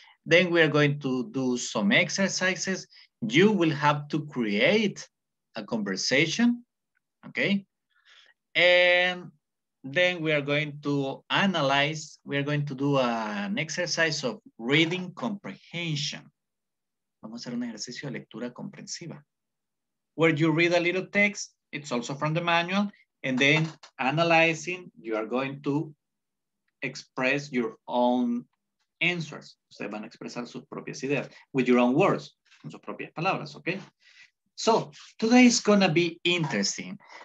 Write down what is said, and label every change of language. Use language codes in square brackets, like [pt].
[en] Then we are going to do some exercises. You will have to create a conversation, okay? And then we are going to analyze, we are going to do an exercise of reading comprehension. [es] Vamos a hacer un ejercicio de lectura comprensiva. [en] Where you read a little text, it's also from the manual, and then analyzing, you are going to express your own [es] answers. Ustedes van a expresar sus propias ideas. [en] With your own words. [es] Con sus propias palabras, [en] ¿ok? So, today is going to be interesting.